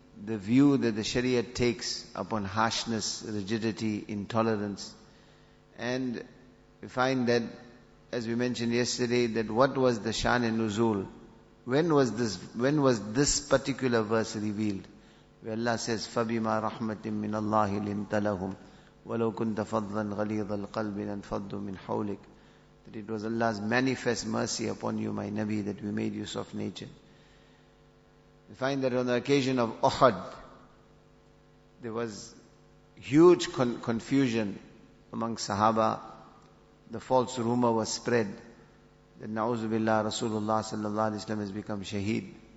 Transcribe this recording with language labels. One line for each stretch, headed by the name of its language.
English: the view that the Sharia takes upon harshness, rigidity, intolerance. And we find that, as we mentioned yesterday, that what was the shan and nuzul? When was this particular verse revealed? Where Allah says,
Arabic: فَبِمَا رَحْمَةٍ مِّنَ اللَّهِ لِنْتَ لَهُمْ وَلَوْ كُنْتَ فَضًّا غَلِيظَ الْقَلْبِ لَنْفَضُّ مِنْ حَوْلِكَ.
English: That it was Allah's manifest mercy upon you, my Nabi, that we made you soft nature. We find that on the occasion of Uhud, there was huge confusion among Sahaba. The false rumor was spread that Na'uzu Billah Rasulullah sallallahu alayhi wa sallam has become shaheed.